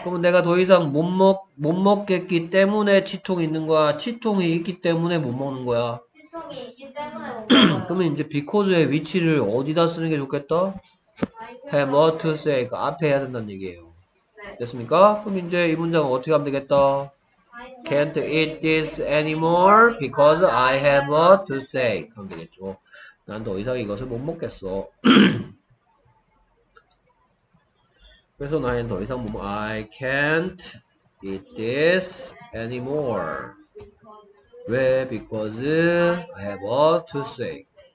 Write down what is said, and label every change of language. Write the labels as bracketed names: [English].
[Korean] 그러면 내가 더 이상 못 먹겠기 때문에 치통이 있는 거야. 치통이 있기 때문에 못 먹는 거야. 치통이 있기 때문에 못 먹는 거야. 그러면 이제 because의 위치를 어디다 쓰는 게 좋겠다. [English] Have a toothache [Korean] 그 앞에 해야 된다는 얘기예요. 네. 됐습니까? 그럼 이제 이 문장은 어떻게 하면 되겠다. [English] Can't eat this anymore because I have a toothache. [Korean] 그럼 되겠죠. 난 더 이상 이것을 못 먹겠어. 그래서 나는 더 이상 못 먹... [English] I can't eat this anymore. [Korean] 왜? [English] Because I have a toothache.